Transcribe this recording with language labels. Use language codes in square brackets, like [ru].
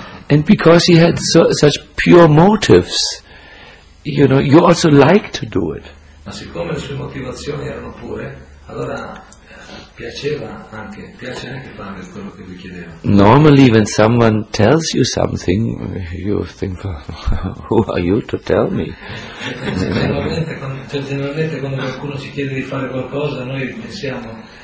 [en] And because he had such pure motives, you know, you also like to do it. [it] Ma siccome le sue motivazioni erano pure, allora piace anche fare quello che lui chiedeva. [en] Normally, when someone tells you something, you think, who are you to tell me? [it] Generalmente, quando qualcuno ci chiede di fare qualcosa, noi pensiamo.